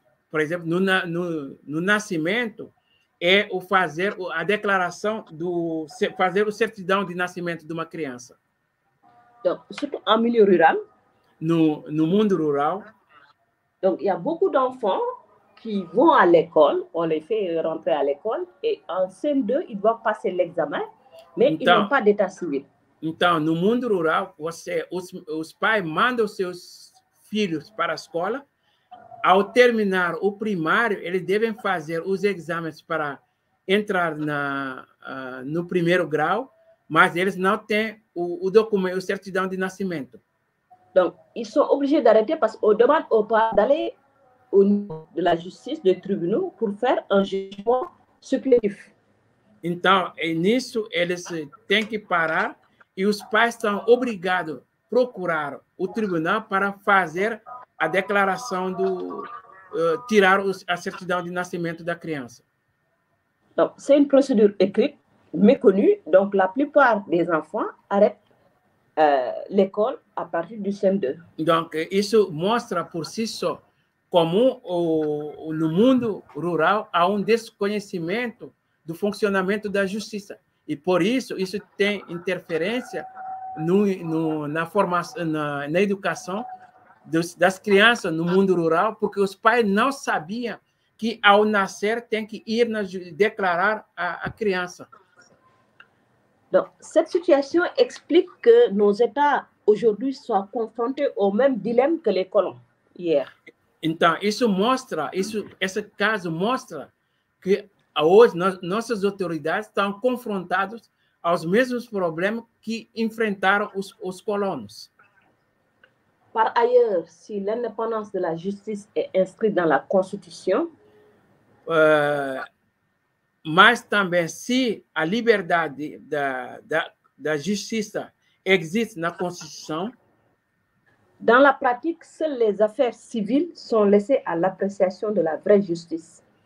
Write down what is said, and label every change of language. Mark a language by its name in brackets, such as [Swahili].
[Portuguese] Por exemplo, no nascimento, é o fazer a declaração do fazer o certidão de nascimento de uma criança. [French] Donc, surtout en milieu rural. [Portuguese] No mundo rural. [French] Donc, il y a beaucoup d'enfants qui vont à l'école, on les fait rentrer à l'école, et en CM2, ils doivent passer l'examen, mais [Portuguese] então, [French] ils n'ont pas d'état civil. [Portuguese] Então, no mundo rural, os pais mandam seus filhos para a escola. Ao terminar o primário, eles devem fazer os exames para entrar no primeiro grau, mas eles não têm o documento, a certidão de nascimento. [French] Donc, ils sont obligés d'arrêter parce qu'on demande aux parents d'aller au niveau de la justice, des tribunaux, pour faire un jugement supplétif. [Portuguese] Então, nisso, eles têm que parar e os pais estão obrigados a procurar o tribunal para fazer a declaração tirar a certidão de nascimento da criança. [French] Donc, c'est une procédure écrite, méconnue, donc la plupart des enfants arrêtent l'école à partir du CM2. [Portuguese] Donc, isso mostra por si só como no mundo rural há desconhecimento do funcionamento da justiça. E por isso tem interferência na educação das crianças no mundo rural, porque os pais não sabiam que ao nascer tem que ir declarar a criança. [French] Donc, cette situation explique que nos États aujourd'hui soient confrontés au même dilemme que les colons hier. [Portuguese] Então, esse caso mostra que hoje nossas autoridades estão confrontadas aos mesmos problemas que enfrentaram os colonos. [French] Par ailleurs, si l'indépendance de la justice est inscrite dans la Constitution, [Portuguese] mas também se a liberdade da justiça existe na Constituição, [French] dans la pratique, seules les affaires civiles sont laissées à l'appréciation de la vraie justice.